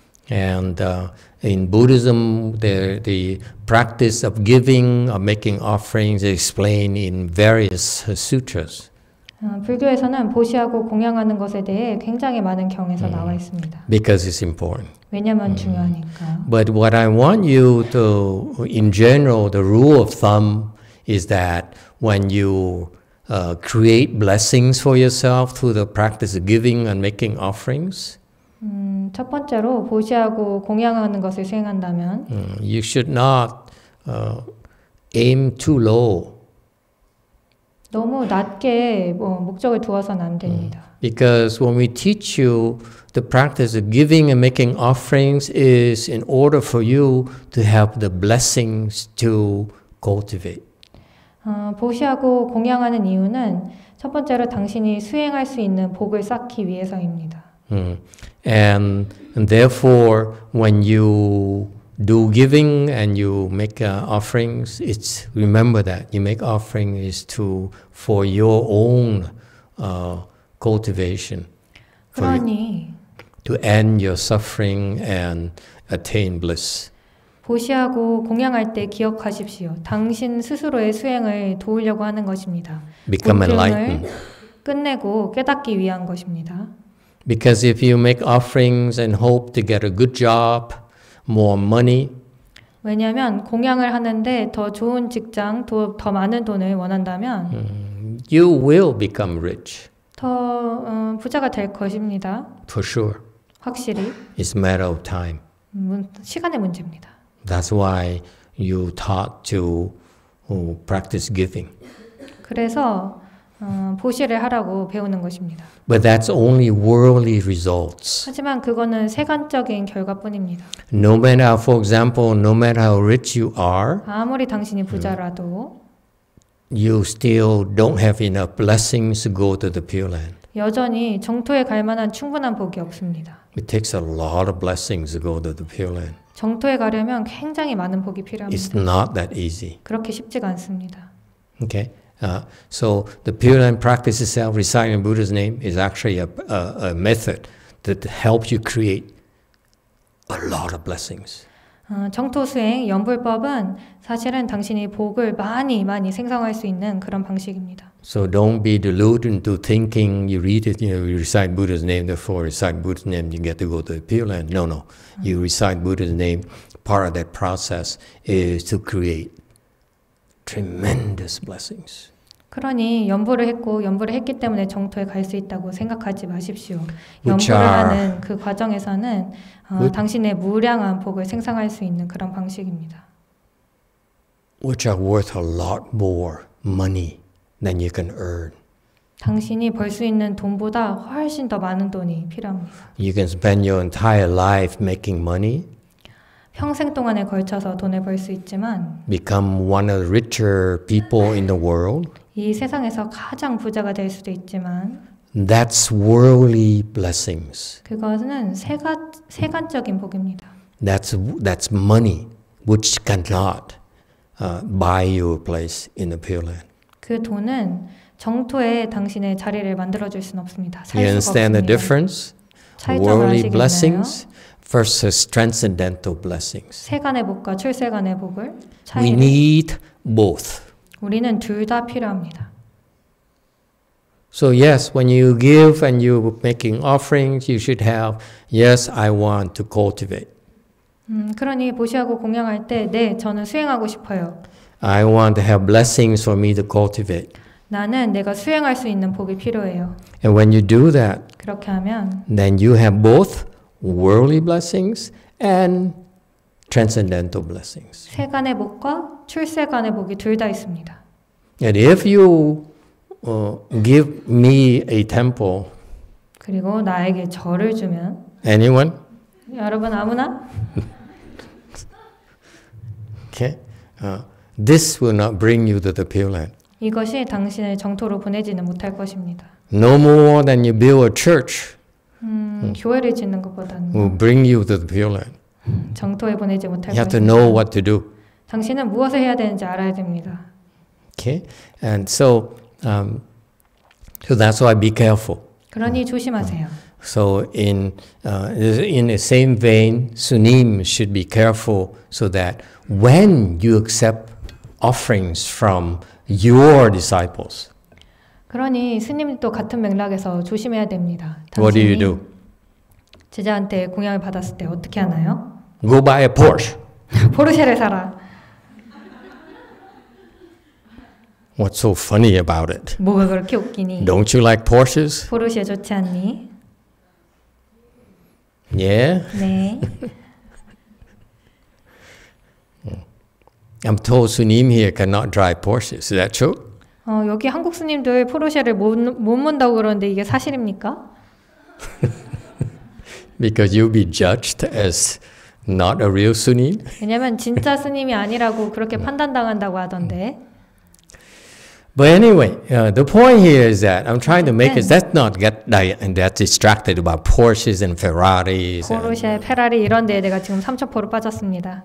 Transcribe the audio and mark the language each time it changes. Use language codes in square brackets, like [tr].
[en] And in Buddhism, the practice of giving or making offerings is explained in various sutras. [ko] 불교에서는 보시하고 공양하는 것에 대해 굉장히 많은 경에서 나와 있습니다. [en] Because it's important. [ko] 왜냐면 중요하니까. [en] But what I want you to, in general, the rule of thumb is that when you create blessings for yourself through the practice of giving and making offerings, [ko] 첫 번째로 보시하고 공양하는 것을 수행한다면, [en] you should not aim too low. [ko] 너무 낮게 목적을 두어서는 안 됩니다. [en] Because when we teach you the practice of giving and making offerings is in order for you to have the blessings to cultivate. [ko] 보시하고 공양하는 이유는 첫 번째로 당신이 수행할 수 있는 복을 쌓기 위해서입니다. [en] And therefore when you do giving and you make offerings, it's remember that you make offering is to for your own cultivation, [ko] 그러니, [en] to end your suffering and attain bliss. [ko] 보시하고 공양할 때 기억하십시오. 당신 스스로의 수행을 도우려고 하는 것입니다. [en] Become enlightened. [ko] 끝내고 깨닫기 위한 것입니다. [en] Because if you make offerings and hope to get a good job, more money. [ko] 왜냐하면 공양을 하는데 더 좋은 직장, 더 많은 돈을 원한다면, [en] you will become rich. [ko] 더 부자가 될 것입니다. [en] For sure. [ko] 확실히. [en] It's a matter of time. [ko] 시간의 문제입니다. [en] That's why you taught to practice giving. [ko] 그래서 보시를 하라고 배우는 것입니다. [en] But that's only worldly results. [ko] 하지만 그거는 세간적인 결과뿐입니다. [en] No matter, for example, no matter how rich you are, [ko] 아무리 당신이 부자라도, [en] you still don't have enough blessings to go to the Pure Land. [ko] 여전히 정토에 갈 만한 충분한 복이 없습니다. [en] It takes a lot of blessings to go to the Pure Land. [ko] 정토에 가려면 굉장히 많은 복이 필요합니다. [en] It's not that easy. [ko] 그렇게 쉽지가 않습니다. [en] Okay. So the Pure Land practice itself, reciting Buddha's name, is actually a method that helps you create a lot of blessings. [ko] 정토 수행 연불법은 사실은 당신이 복을 많이 많이 생성할 수 있는 그런 방식입니다. [en] So don't be deluded into thinking you read it, you know, you recite Buddha's name, therefore recite Buddha's name, you get to go to the Pure Land. No, no. You recite Buddha's name. Part of that process is to create tremendous blessings. [ko] 그러니 연불을 했고 연불을 했기 때문에 정토에 갈 수 있다고 생각하지 마십시오. 연불을 하는 그 과정에서는 당신의 무량한 복을 생성할 수 있는 그런 방식입니다. [en] Which are worth a lot more money than you can earn. [ko] 당신이 벌 수 있는 돈보다 훨씬 더 많은 돈이 필요합니다. [en] You can spend your entire life making money. [ko] 평생 동안에 걸쳐서 돈을 벌 수 있지만 [en] become one of the richer people in the world. [ko] 이 세상에서 가장 부자가 될 수도 있지만 [en] That's worldly blessings. [ko] 그것은 세간적인 복입니다. [en] That's money which cannot buy you a place in the Pure Land. [ko] 그 돈은 정토에 당신의 자리를 만들어 줄 수는 없습니다. 살 수가 없습니다. [en] You understand the difference? Worldly blessings versus transcendental blessings. [ko] 세간의 복과 출세간의 복을 차이를 [en] We need both. [ko] 우리는 둘 다 필요합니다. [en] So yes, when you give and you're making offerings, you should have, yes, I want to cultivate. [ko] 그러니 보시하고 공양할 때, 네, 저는 수행하고 싶어요. [en] I want to have blessings for me to cultivate. [ko] 나는 내가 수행할 수 있는 복이 필요해요. [en] And when you do that, [ko] 그렇게 하면, [en] then you have both worldly blessings and transcendental blessings. [ko] 세간의 복과 출세간의 복이 둘 다 있습니다. [en] And if you give me a temple, [ko] 그리고 나에게 절을 주면 [en] anyone? [ko] 여러분 아무나? [en] Okay. This will not bring you to the Pure Land. [ko] 이것이 당신을 정토로 보내지는 못할 것입니다. [en] No more than you build a church. [ko] 교회를 짓는 것보다는 [en] will bring you to the Pure Land. [ko] 정토에 보내지 못할 것입니다. [en] You have to know what to do. [ko] 당신은 무엇을 해야 되는지 알아야 됩니다. [en] Okay, and so so that's why be careful. [ko] 그러니 조심하세요. [en] So in the same vein, Sunim should be careful so that when you accept offerings from your disciples. [ko] 그러니 스님도 같은 맥락에서 조심해야 됩니다. [en] What do you do? [ko] 제자한테 공양을 받았을 때 어떻게 하나요? [en] Go buy a Porsche. [ko] 포르쉐를 사라. [en] What's so funny about it? [ko] 뭐가 그렇게 웃기니? [en] Don't you like Porsches? [ko] 포르쉐 좋지 않니? [en] Yeah. [ko] 네. [en] I'm told Sunim here cannot drive Porsches. Is that true? [ko] 여기 한국 스님들 포르쉐를 못 문다고 그러는데 이게 사실입니까? [en] Because you'll be judged as not a real 스님. [ko] 왜냐면 진짜 스님이 아니라고 그렇게 판단당한다고 하던데. [en] But anyway, the point here is that I'm trying to make is let's not get that distracted about Porsches and Ferraris. [ko] 포르쉐, 페라리 이런 데에 내가 지금 3000포로 빠졌습니다.